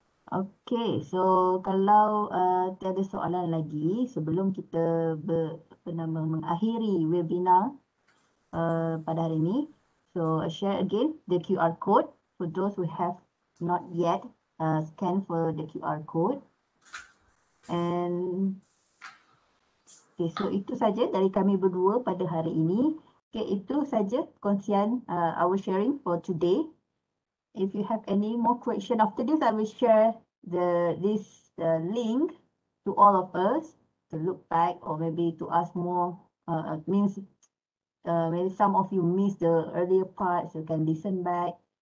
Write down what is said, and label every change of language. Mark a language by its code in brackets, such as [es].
[ms] Okay, so kalau tiada soalan lagi sebelum kita mengakhiri webinar pada hari ini. [en] So share again the QR code for those who have not yet scanned for the QR code. [ms] And okay, so itu saja dari kami berdua pada hari ini. Okay, itu saja kongsian [en] our sharing for today. If you have any more question after this, I will share this link to all of us to look back or maybe to ask more. Maybe some of you missed the earlier parts, so you can listen back.